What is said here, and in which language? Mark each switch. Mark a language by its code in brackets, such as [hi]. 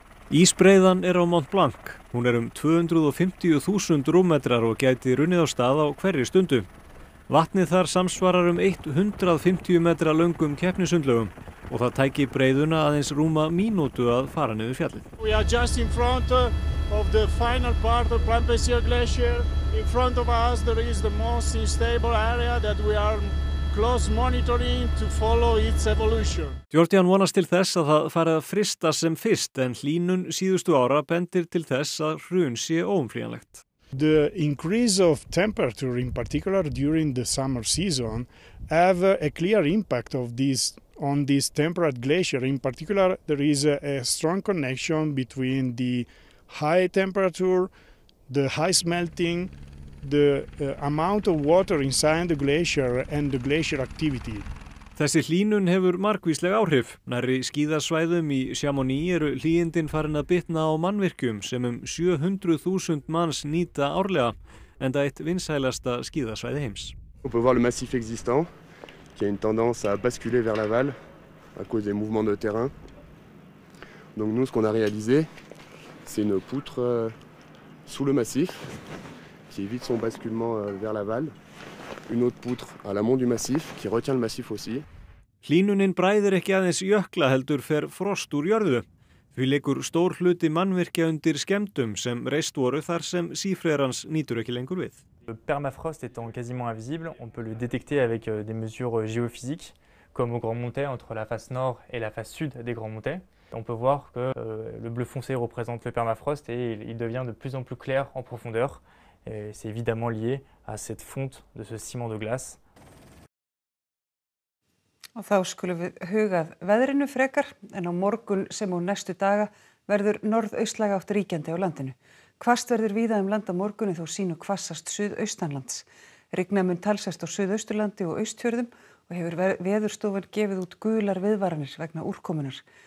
[is] Ísbreiðan á Mont Blanc. Hún um 250.000 rúmmetrar og gæti runnið á stað á hverri stundu. Vatnið þar samsvarar 150 metra löngum keppnisundlögum og það tæki breiðuna aðeins rúma mínútu að fara niður fjallið. [en] We are just in front of the final part of Plampecia Glacier. In front of us there is the most instable area that we are close monitoring to follow its evolution. [is] Jordan vonast til þess að það fari að frista sem fyrst en hlýnun síðustu ára bendir til þess að hrun sé óumflýjanlegt. [en] The increase of temperature in particular during the summer season have a clear impact of this on this temperate glacier. In particular there is a strong connection between the high temperature, the high smelting, the amount of water inside the glacier and the glacier activity. [is] Þessi hlýnun hefur margvísleg áhrif. Nærri skíðasvæðum í Chamonix eru hlýindin farin að bitna á mannvirkjum sem 700.000 manns nýta árlega, enda eitt vinsælasta skíðasvæði heims. [fr] On peut voir le massif existant qui a une tendance à basculer vers l'aval à cause des mouvements de terrain. Donc nous ce qu'on a réalisé c'est une poutre sous le massif qui évite son basculement vers l'aval. Une autre poutre à l'amont du massif qui retient le massif aussi. [is] Hlýnunin bræðir ekki aðeins jökla heldur fer frost úr jörðu. Því liggur stór hluti mannvirkja undir skemmdum sem reist voru þar sem sífreðrans nýtur ekki lengur við. [fr] Le permafrost étant quasiment invisible, on peut le détecter avec des mesures géophysiques, comme au Grand Montais, entre la face nord et la face sud des Grands Montais. On peut voir que le bleu foncé représente le permafrost et il devient de plus en plus clair en profondeur. Et c'est évidemment lié à cette fonte de ce ciment de glace. [is] Og þá skulum við huga að veðrinu frekar en á morgun sem og næstu daga verður norðaustlæg átt ríkjandi á landinu. Hvasst verður víða land á morgun eða þó sýnu hvassast suðaustanlands. Rigna mun talsast á suðausturlandi og austfjörðum og hefur veðurstofan gefið út gular viðvaranir vegna úrkomunar.